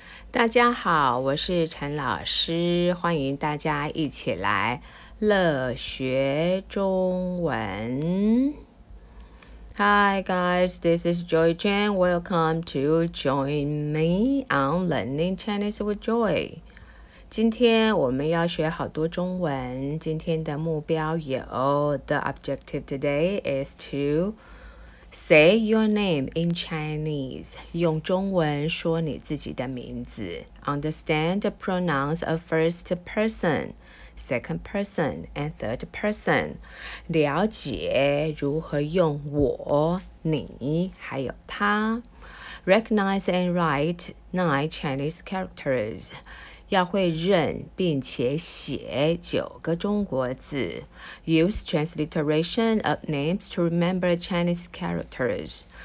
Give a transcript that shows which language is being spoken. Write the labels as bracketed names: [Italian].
[Chinese] 大家好，我是陈老师，欢迎大家一起来乐学中文。 [English] Hi guys, this is Joy Chen. Welcome to join me on Learning Chinese with Joy. [Chinese] 今天我们要学好多中文，今天的目标有 [English] The objective today is to say your name in Chinese. [Chinese] 用中文说你自己的名字。 [English] Understand the pronouns of first person, second person, and third person. [Chinese] 了解如何用我、你还有他。 [English] Recognize and write 9 Chinese characters. [Chinese] 要会认并且写九个中国字。 [English] Use transliteration of names to remember Chinese characters.